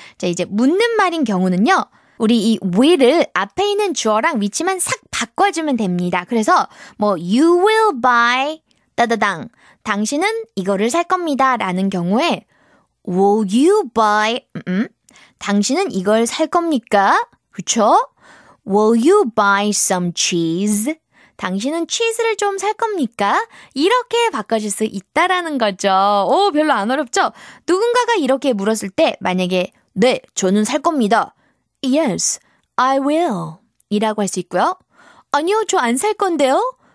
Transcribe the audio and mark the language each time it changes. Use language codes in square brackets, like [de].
[ko] 자, 이제 묻는 말인 경우는요. 우리 이 will을 앞에 있는 주어랑 위치만 싹 바꿔주면 됩니다. 그래서 뭐 [en] you will buy [ko] 따다당 당신은 이거를 살 겁니다 라는 경우에 [en] will you buy [ko] 당신은 이걸 살 겁니까? 그쵸? [en] will you buy some cheese? [ko] 당신은 치즈를 좀 살 겁니까? 이렇게 바꿔줄 수 있다라는 거죠. 오, 별로 안 어렵죠? 누군가가 이렇게 물었을 때 만약에 네, 저는 살 겁니다. [en] Yes, I will. [ko] 이라고 할 수 있고요. 아니요, 저 안 살 건데요.